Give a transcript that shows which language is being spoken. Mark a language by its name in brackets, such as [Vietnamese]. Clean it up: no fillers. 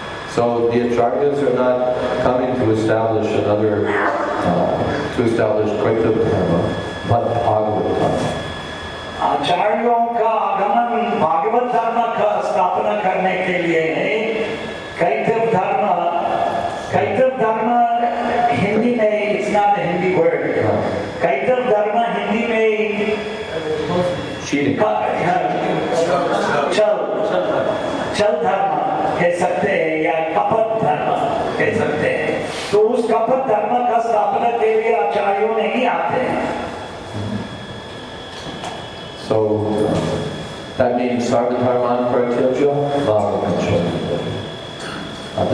[English] So the Acharyas are not coming to establish another, to establish Kaitav Dharma, but Bhagavad Dharma. [Hindi] आचार्यों का आगमन भागवत धर्म का स्थापना करने के लिए है. कैतव धर्म, कैतव धर्म हिंदी में [English] It's not a Hindi word. [Hindi] कैतव धर्म हिंदी में चल धर्म कह सकते हैं या कपट धर्म कह सकते हैं. तो उस कपट धर्म का स्थापना के लिए आचार्यों नहीं आते. [English] So that means [Sanskrit] Sarva Dharman Pratyajya Bhava Kacha.